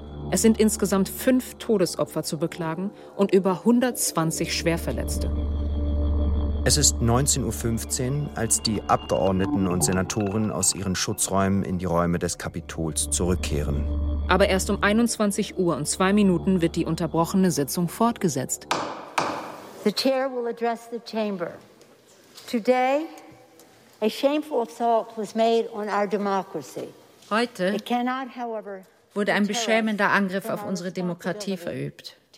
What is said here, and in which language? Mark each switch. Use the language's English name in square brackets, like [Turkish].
[German] Es sind insgesamt 5 Todesopfer zu beklagen und über 120 Schwerverletzte. Es ist 19.15 Uhr, als die Abgeordneten und Senatoren aus ihren Schutzräumen in die Räume des Kapitols zurückkehren. Aber erst um 21 Uhr und 2 Minuten wird die unterbrochene Sitzung fortgesetzt. [English] The chair will address the chamber. Today, a shameful assault was made on our democracy. [German] Heute wurde ein beschämender Angriff auf unsere Demokratie verübt.